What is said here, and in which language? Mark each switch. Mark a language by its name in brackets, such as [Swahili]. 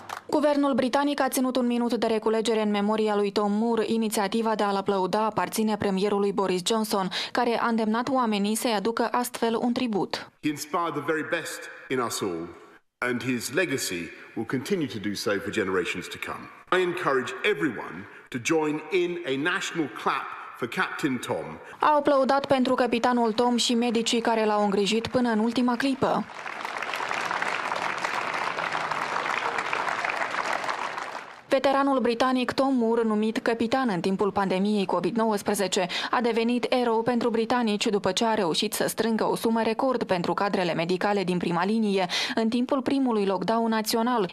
[Romanian] Guvernul britanic a ținut un minut de reculegere în memoria lui Tom Moore. Inițiativa de a-l aplauda aparține premierului Boris Johnson, care a îndemnat oamenii să-i aducă astfel un tribut. [English] He inspired the very best in us all, and his legacy will continue to do so for generations to come. I encourage everyone to join in a national clap for Captain Tom. [Romanian] Au aplaudat pentru capitanul Tom și medicii care l-au îngrijit până în ultima clipă. Veteranul britanic Tom Moore, numit capitan în timpul pandemiei COVID-19, a devenit erou pentru britanici după ce a reușit să strângă o sumă record pentru cadrele medicale din prima linie în timpul primului lockdown național.